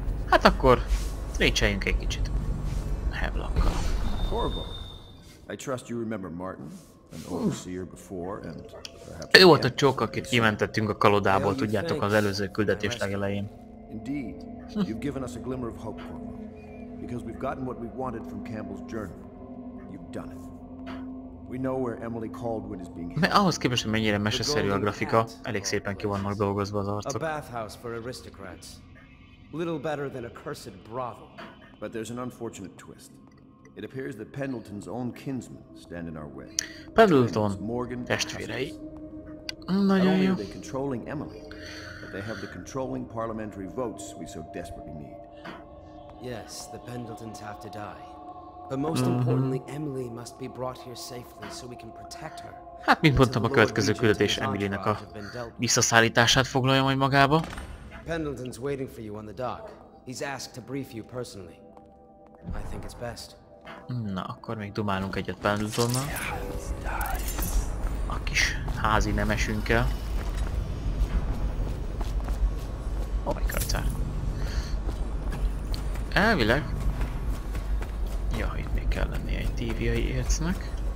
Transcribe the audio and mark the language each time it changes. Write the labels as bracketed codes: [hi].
[hu] Hát akkor trécseljünk egy kicsit. Havelockkal. [en] Horrible. I trust you remember Martin, an overseer before, and [hu] ő volt a csók, akit kimentettünk a kalodából, tudjátok, az előző küldetés legelején. [en] Indeed, you've given us a glimmer of hope, Corvo. Because we've gotten what we wanted from Campbell's journal. You've done it. We know where Emily Caldwin is being held. [hu] Ahhoz képest, hogy mennyire meseszerű a grafika, elég szépen ki vannak dolgozva az arcok. [en] A bathhouse for aristocrats. Little better than a cursed brothel. But there's an unfortunate twist. It appears that Pendleton's own kinsmen stand in our way. [hu] Pendleton testvérei. Nagyon jó. [en] They're controlling Emily, but they have the controlling parliamentary votes we so desperately need. Yes, the Pendletons have to die. But most importantly, Emily must be brought here safely so we can protect her. [hu] Hát mint mondtam, a következő küldetés Emilynek a visszaszállítását foglalja majd magába. [en] Pendleton's waiting for you on the dock. He's asked to brief you personally. I think it's best. [hu] Na, akkor még dumálunk egyet Pendletonnal. A kis házi nemesünkkel. Oh, egy karcár. Elvileg. Ja, itt még kell lenni egy tíviai ércnek.